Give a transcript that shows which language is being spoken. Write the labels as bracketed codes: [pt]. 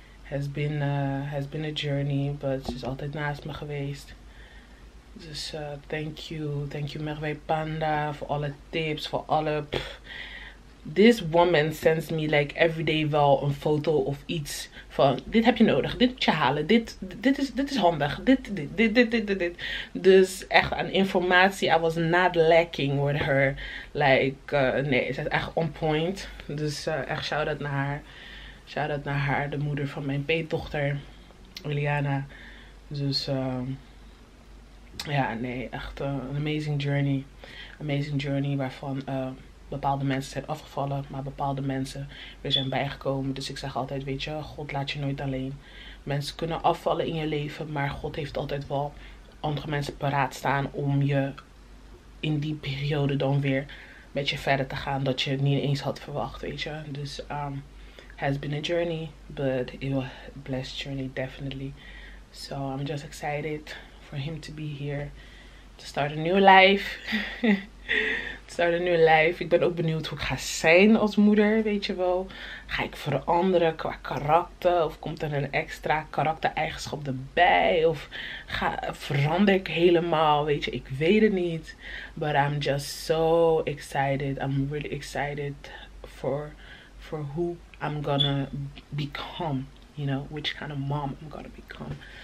[en] has been a journey, but [nl] ze is altijd naast me geweest. Dus [en] thank you [nl] Merwe Panda voor alle tips, voor alle... [en] This woman sends me like every day [nl] wel een foto of iets van dit heb je nodig, dit moet je halen, dit is handig, dit. Dus echt aan informatie, [en] I was not lacking with her. [nl] Nee, ze is echt on point. Dus echt shout-out naar haar. Shout-out naar haar, de moeder van mijn peetdochter, Eliana. Dus echt een amazing journey. Amazing journey waarvan... bepaalde mensen zijn afgevallen, maar bepaalde mensen weer zijn bijgekomen. Dus ik zeg altijd, weet je, God laat je nooit alleen. Mensen kunnen afvallen in je leven, maar God heeft altijd wel andere mensen paraat staan om je in die periode dan weer met je verder te gaan. Dat je het niet eens had verwacht, weet je. [en] Dus has been a journey, but it was a blessed journey, definitely. So I'm just excited for him to be here to start a new life. [nl] Start een nieuw lijf. Ik ben ook benieuwd hoe ik ga zijn als moeder, weet je wel. Ga ik veranderen qua karakter? Of komt er een extra karaktereigenschap erbij? Of verander ik helemaal, weet je? Ik weet het niet. [en] But I'm just so excited. I'm really excited for who I'm gonna become. You know, which kind of mom I'm gonna become.